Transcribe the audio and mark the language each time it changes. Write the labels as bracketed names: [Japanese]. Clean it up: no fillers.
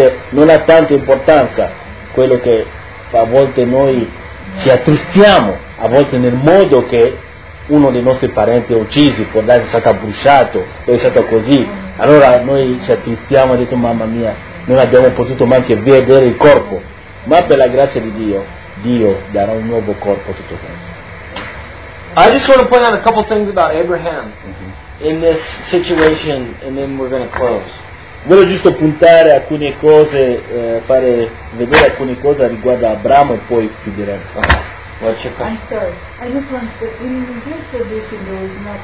[Italian] Non ha tanta importanza quello che a volte noi ci attristiamo, a volte nel modo che uno dei nostri parenti è ucciso, può essere stato bruciato, o è stato così. Allora noi ci attristiamo e diciamo, mamma mia, non abbiamo potuto neanche vedere il corpo. Ma per la grazia di Dio, Dio darà un nuovo corpo a tutto questo. [English] I just want to point out a couple things about Abraham. Mm-hmm. In this situation, and then we're going to close. [Italian] Voglio giusto puntare alcune cose, fare vedere alcune cose riguardo Abramo e poi chiuderemo. [English] What's your question? I'm sorry. I just want to say, in this tradition, there is not